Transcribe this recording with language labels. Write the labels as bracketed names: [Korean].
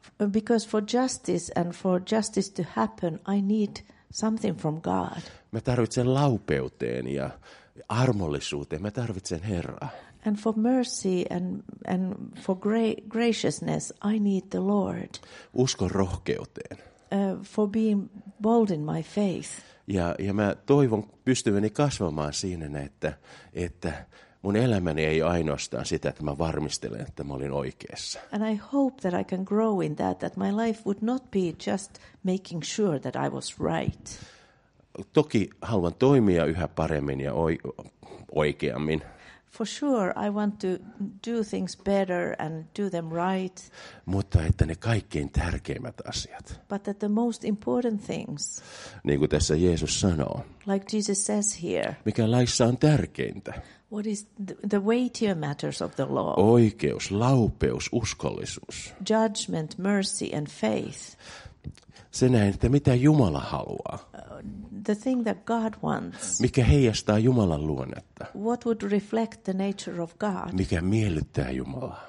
[English] Because for justice and for justice to happen, I need something from God. [Finnish] Mä tarvitsen laupeuteen ja armollisuuteen. Mä tarvitsen Herraa. [English] And for mercy and for graciousness, I need the Lord. [Finnish] Uskon rohkeuteen. [English] For being bold in my faith. [Finnish] Ja mä toivon pystyväni kasvamaan siinä, että mun elämäni ei ainoastaan sitä, että mä varmistelen, että mä olin oikeassa. [English] And I hope that I can grow in that my life would not be just making sure that I was right. [Finnish] Toki haluan toimia yhä paremmin ja oikeammin. [English] For sure, I want to do things better and do them right. [Finnish] Mutta että ne kaikkein tärkeimmät asiat. [English] But that the most important things. [Finnish] Niin kuin tässä Jeesus sanoo. [English] Like Jesus says here. [Finnish] Mikä laissa on tärkeintä? [English] What is the weightier matters of the law? [Finnish] Oikeus, laupeus, uskollisuus. [English] Judgment, mercy and faith. [Finnish] Se näin, että mitä Jumala haluaa. [English] The thing that God wants. [Finnish] Mikä heijastaa Jumalan luonnetta. [English] What would reflect the nature of God. [Finnish] Mikä miellyttää Jumalaa.